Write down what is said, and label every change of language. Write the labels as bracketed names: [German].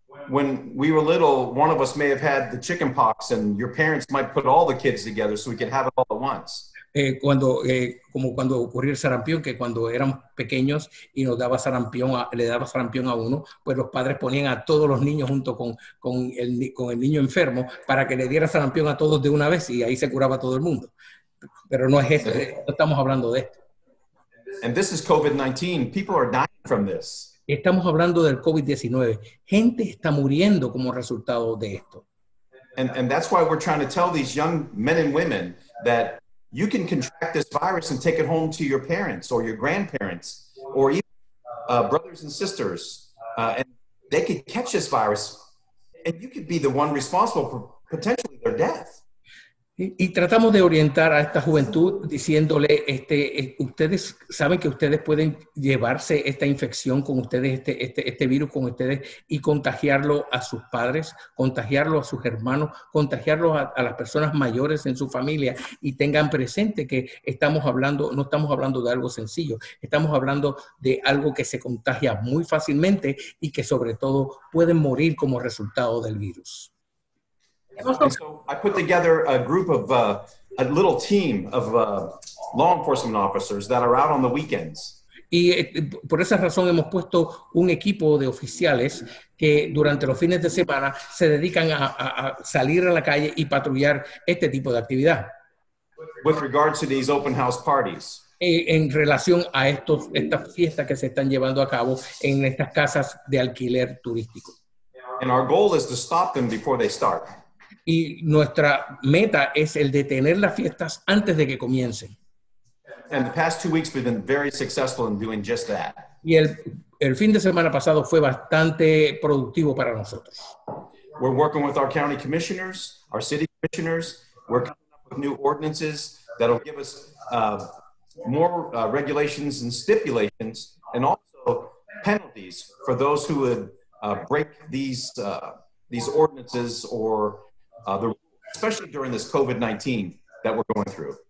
[English] When we were little, one of us may have had the chicken pox, and your parents might put all the kids together so we could have it all at once. [Spanish] Cuando ocurrió el sarampión, que cuando eran pequeños y le daba sarampión a uno, pues los padres ponían a todos los niños junto con el niño enfermo para que le diera sarampión a todos de una vez, y ahí se curaba todo el mundo. Pero no es esto, no estamos hablando de esto. [English] And this is COVID-19. People are dying from this. [Spanish] Estamos hablando del COVID-19. Gente está muriendo como resultado de esto. [English] And that's why we're trying to tell these young men and women that you can contract this virus and take it home to your parents or your grandparents or even brothers and sisters. And they could catch this virus and you could be the one responsible for potentially their death. [Spanish] Y tratamos de orientar a esta juventud diciéndole, ustedes saben que ustedes pueden llevarse esta infección con ustedes, este virus con ustedes, y contagiarlo a sus padres, contagiarlo a sus hermanos, contagiarlo a las personas mayores en su familia, y tengan presente que no estamos hablando de algo sencillo, estamos hablando de algo que se contagia muy fácilmente y que sobre todo pueden morir como resultado del virus. [English] And so I put together a group of a little team of law enforcement officers that are out on the weekends. [Spanish] Y por esa razón hemos puesto un equipo de oficiales que durante los fines de semana se dedican a salir a la calle y patrullar este tipo de actividad. [English] With regard to these open house parties. [Spanish] En relación a estas fiestas que se están llevando a cabo en estas casas de alquiler turístico. [English] And our goal is to stop them before they start. [Spanish] Y nuestra meta es el detener las fiestas antes de que comiencen. [English] And the past 2 weeks we've been very successful in doing just that. [Spanish] Y el fin de semana pasado fue bastante productivo para nosotros. [English] We're working with our county commissioners, our city commissioners. We're coming up with new ordinances that will give us more regulations and stipulations and also penalties for those who would break these ordinances or especially during this COVID-19 that we're going through.